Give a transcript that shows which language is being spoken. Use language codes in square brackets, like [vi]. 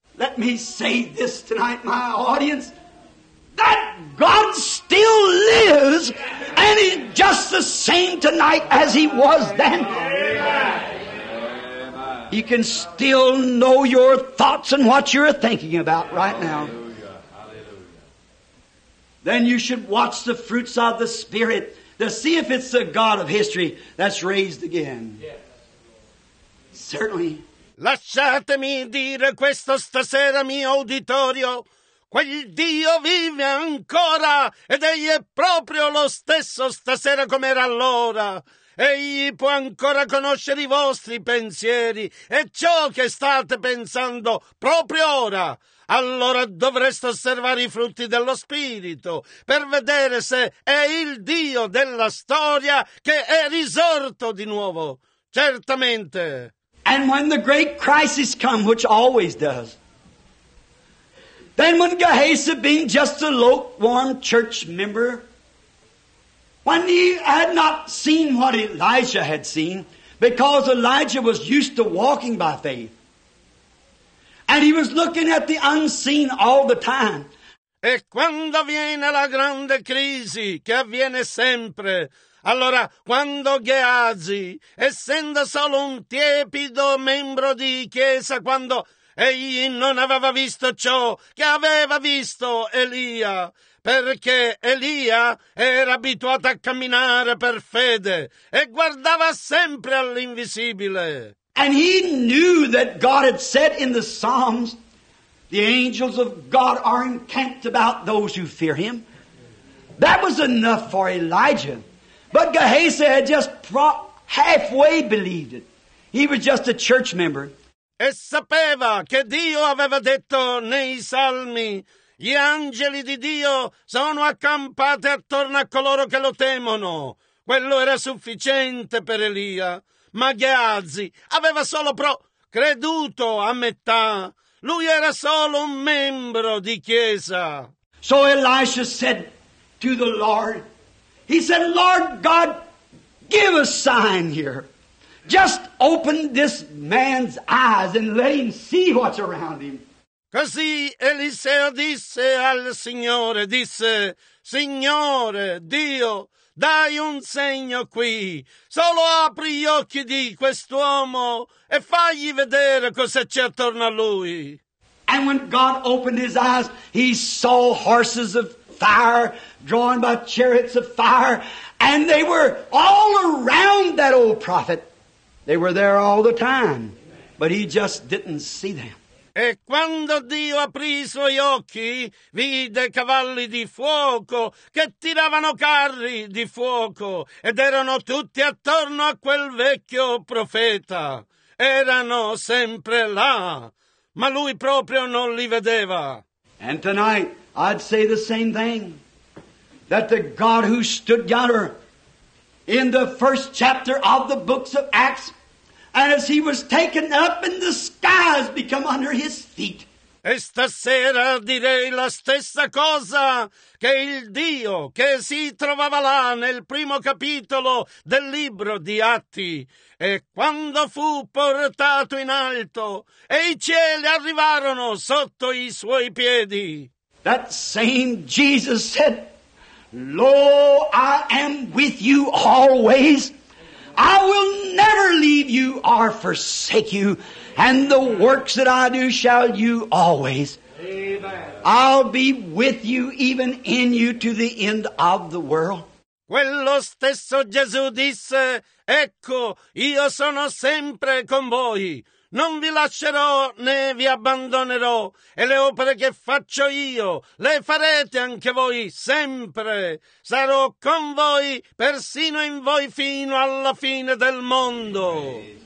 [en] Let me say this tonight, my audience, that God still lives and is just the same tonight as he was then. You can still know your thoughts and what you're thinking about right now. Then you should watch the fruits of the Spirit to see if it's the God of history that's raised again. Certainly. [it] Lasciatemi dire questo stasera, mio auditorio. Quel Dio vive ancora ed egli è proprio lo stesso stasera come era allora. Egli può ancora conoscere i vostri pensieri e ciò che state pensando proprio ora. Allora dovreste osservare i frutti dello Spirito per vedere se è il Dio della storia che è risorto di nuovo. Certamente. [en] And when the great crisis comes, which always does, then when Gehazi, being just a lukewarm church member, when he had not seen what Elijah had seen, because Elijah was used to walking by faith, and he was looking at the unseen all the time. [it] E quando viene la grande crisi, che avviene sempre, allora quando Gehazi, essendo solo un tiepido membro di chiesa, quando egli non aveva visto ciò che aveva visto Elia, perché Elia era abituato a camminare per fede e guardava sempre all'invisibile. [en] And he knew that God had said in the Psalms, the angels of God are encamped about those who fear him. That was enough for Elijah. But Gehazi had just halfway believed it. He was just a church member. [it] E sapeva che Dio aveva detto nei Salmi, gli angeli di Dio sono accampati attorno a coloro che lo temono. Quello era sufficiente per Elia. Ma Gehazi aveva solo creduto a metà. Lui era solo un membro di chiesa. [en] So Elisha said to the Lord, he said, Lord God, give a sign here. Just open this man's eyes and let him see what's around him. [it] Così Eliseo disse al Signore, disse, Signore, Dio, dai un segno qui. Solo apri gli occhi di quest'uomo e fagli vedere cosa c'è attorno a lui. [en] And when God opened his eyes, he saw horses of fire drawn by chariots of fire. And they were all around that old prophet. They were there all the time, but he just didn't see them. [it] E quando Dio aprì i suoi occhi, vide cavalli di fuoco che tiravano carri di fuoco ed erano tutti attorno a quel vecchio profeta. Erano sempre là, ma lui proprio non li vedeva. [en] And tonight I'd say the same thing, that the God who stood yonder in the first chapter of the books of Acts, and as he was taken up in the skies, become under his feet. [it] E stasera direi la stessa cosa che il Dio che si trovava là nel primo capitolo del libro di Atti. E quando fu portato in alto e i cieli arrivarono sotto i suoi piedi. [en] That same Jesus said, Lo, I am with you always. I will never leave you or forsake you. And the works that I do shall you always. Amen. I'll be with you, even in you, to the end of the world. [it] Quello stesso Gesù disse, Ecco, io sono sempre con voi. Non vi lascerò né vi abbandonerò. E le opere che faccio io, le farete anche voi sempre. Sarò con voi, persino in voi, fino alla fine del mondo.